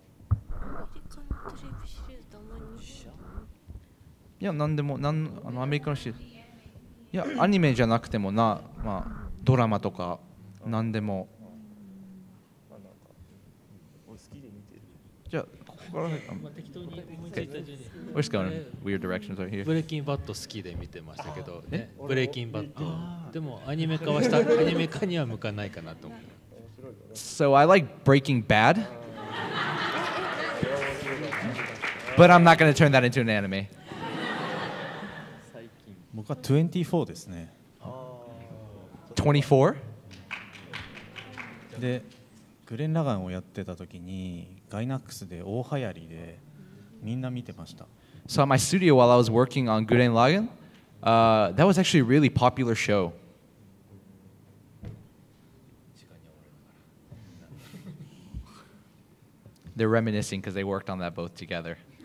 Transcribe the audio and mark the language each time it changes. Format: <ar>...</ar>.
<ja>アメリカのテレビシリーズたまにしよう。いや何でもあのアメリカのシリーズ、いやアニメじゃなくてもな、まあ、ドラマとか何でも。</ja> <en>Okay. We're just going in weird directions right here.</en> <ja>Breaking Bad 好きで見てましたけど、ね、Breaking Bad でもアニメ化はしたアニメ化には向かないかなと思う。</ja> <en>So I like Breaking Bad but I'm not going to turn that into an anime.</en> <ja>僕は24ですね。 24? でグレン・ラガンをやってた時にガイナックスで大流行りでみんな見てました。</ja> <en>So at my studio while I was working on Gurren Lagann, that was actually a really popular show. They're reminiscing because they worked on that both together.</en>